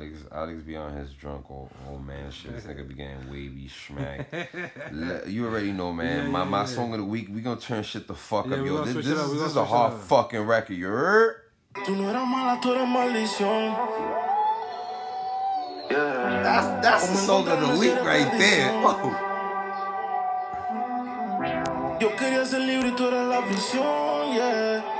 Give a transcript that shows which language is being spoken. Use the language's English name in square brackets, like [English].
[English] Alex be on his drunk old man shit. This nigga be getting wavy schmack. You already know, man. My song of the week, we gonna turn shit the fuck up, yo. This is a hard fucking record, you heard? [Spanish] Tu no eras mala, tu eras maldición. [English] That's the song of the week right there. [Spanish] Yo quería ser libre, tu eras la visión, yeah.